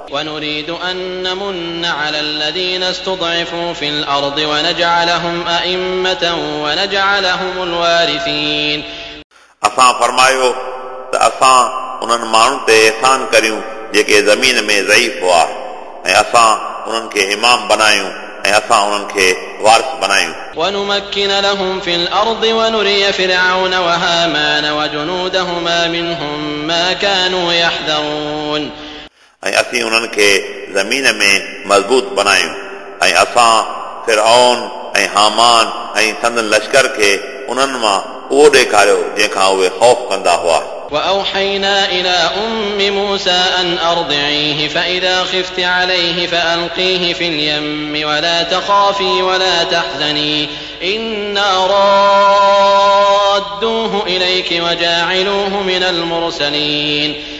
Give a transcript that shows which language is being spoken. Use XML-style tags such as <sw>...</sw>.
<ar>ونريد ان نمن على الذين استضعفوا في الارض ونجعلهم ائمه ونجعلهم الوارثين।</ar> <sd>असां फरमायो त असां उन्हनि माण्हुनि ते एहसान करियूं जेके ज़मीन में ज़ईफ़ हुआ ऐं असां उन्हनि खे इमाम बनायूं ऐं असां उन्हनि खे वारिस बनायूं।</sd> <ar>ونمكن لهم في الارض ونري فرعون وهامان وجنودهما منهم ما كانوا يحذرون।</ar> <sd>ऐं असीं उन्हनि खे ज़मीन में मज़बूत बनायूं ऐं असां फिरौन ऐं हामान ऐं संदन लश्कर खे उन्हनि मां उहो ॾेखारियो जंहिंखां उहे ख़ौफ़ कंदा हुआ।</sd> <ar>وَأَوْحَيْنَا إِلَىٰ أُمِّ مُوسَىٰ أَنْ أَرْضِعِيهِ فَإِذَا خِفْتِ عَلَيْهِ فَأَلْقِيهِ فِي الْيَمِّ وَلَا تَخَافِي وَلَا تَحْزَنِي إِنَّا رَادُّوهُ إِلَيْكِ وَجَاعِلُوهُ مِنَ الْمُرْسَلِينَ।</ar>